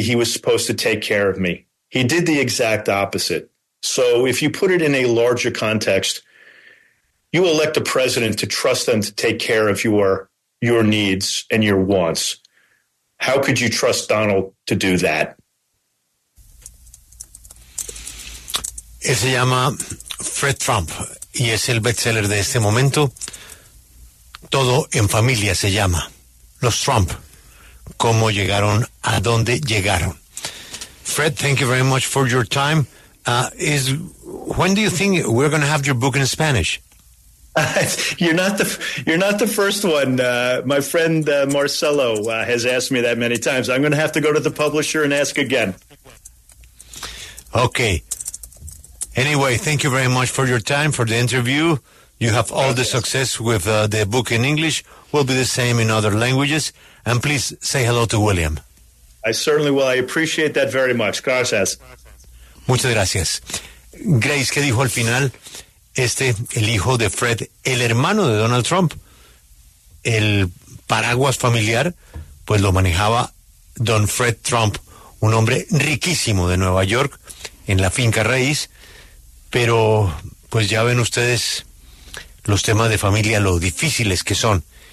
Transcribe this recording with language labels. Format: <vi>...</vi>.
<en>He was supposed to take care of me. He did the exact opposite. So if you put it in a larger context, you elect a president to trust them to take care of your needs and your wants. How could you trust Donald to do that?</en> <es>Él se llama Fred Trump y es el bestseller de este momento. Todo en familia se llama Los Trump. ¿Cómo llegaron a dónde llegaron?</es> <en>Fred, thank you very much for your time. When do you think we're going to have your book in Spanish? You're not the first one. My friend Marcelo has asked me that many times. I'm going to have to go to the publisher and ask again. Okay. Anyway, thank you very much for your time, for the interview. You have all the success with the book in English. We'll be the same in other languages. And please say hello to William. I certainly will. I appreciate that very much.</en> <es>Gracias. Muchas gracias. Grace, ¿qué dijo al final? Este, el hijo de Fred, el hermano de Donald Trump, el paraguas familiar, pues lo manejaba Don Fred Trump, un hombre riquísimo de Nueva York, en la finca raíz, pero pues ya ven ustedes los temas de familia, lo difíciles que son.</es>